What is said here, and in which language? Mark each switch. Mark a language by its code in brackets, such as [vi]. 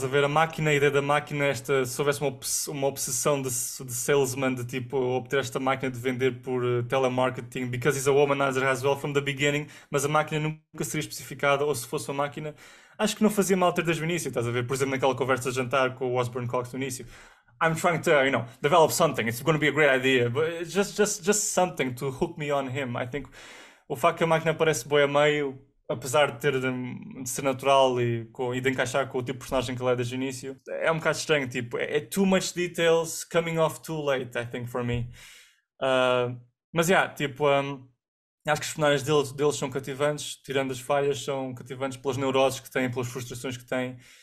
[pt] Estás a ver? A máquina, a ideia da máquina, esta, se houvesse uma obsessão de salesman, de tipo, obter esta máquina de vender por telemarketing, [en] because he's a womanizer as well from the beginning, [pt] mas a máquina nunca seria especificada, ou se fosse uma máquina, acho que não fazia mal ter desde o início. Estás a ver? Por exemplo, naquela conversa de jantar com o Osborne Cox no início. [en] I'm trying to, develop something. It's going to be a great idea, but just something to hook me on him. I think [pt] o facto que a máquina parece boa a meio, apesar de ter de ser natural e de encaixar com o tipo de personagem que ele é desde o início, é um bocado estranho. Tipo, é [en] too much details coming off too late, I think, for me. [pt] Mas yeah, tipo, acho que os personagens deles são cativantes, tirando as falhas, são cativantes pelas neuroses que têm, pelas frustrações que têm.